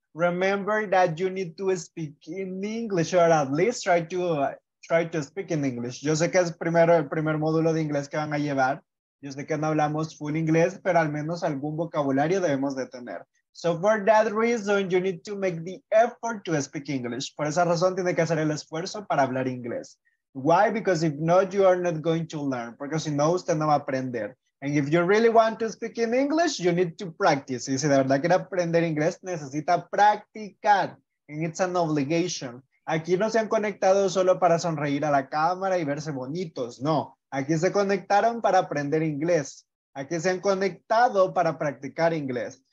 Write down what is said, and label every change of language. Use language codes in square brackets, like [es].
[en] Remember that you need to speak in English, or at least try to speak in English. [es] Yo sé que es el primer módulo de inglés que van a llevar. Yo sé que no hablamos full inglés, pero al menos algún vocabulario debemos de tener. [en] So for that reason, you need to make the effort to speak English. [es] Por esa razón, tiene que hacer el esfuerzo para hablar inglés. [en] Why? Because if not, you are not going to learn. [es] Porque si no, usted no va a aprender. [en] And if you really want to speak in English, you need to practice. [es] Y si de verdad quiere aprender inglés, necesita practicar. [en] And it's an obligation. [es] Aquí no se han conectado solo para sonreír a la cámara y verse bonitos. No, aquí se conectaron para aprender inglés. Aquí se han conectado para practicar inglés.